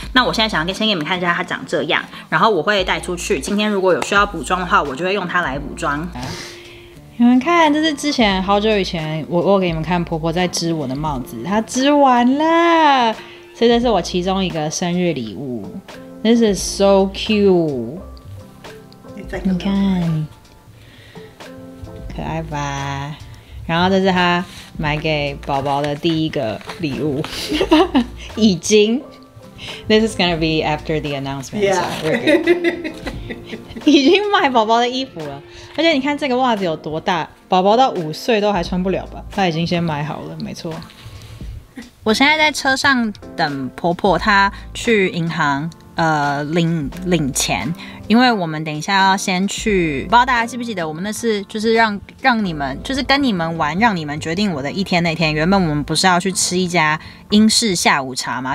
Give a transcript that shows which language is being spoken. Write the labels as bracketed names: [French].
[Chinese] 那我现在想要先给你们看一下它长这样，然后我会带出去。今天如果有需要补妆的话，我就会用它来补妆。你们看，这是之前好久以前我给你们看婆婆在织我的帽子，她织完了，所以这是我其中一个生日礼物。 [English] This is so cute，你看，可爱吧？ [Chinese] 然后这是她买给宝宝的第一个礼物，已经。 [English] This is gonna be after the announcement. Yeah, [Chinese] very good. 已经买宝宝的衣服了，而且你看这个袜子有多大，宝宝到五岁都还穿不了吧？他已经先买好了，没错。我现在在车上等婆婆，她去银行。领钱，因为我们等一下要先去，不知道大家记不记得，我们那是就是让你们就是跟你们玩，让你们决定我的一天那天，原本我们不是要去吃一家英式下午茶吗？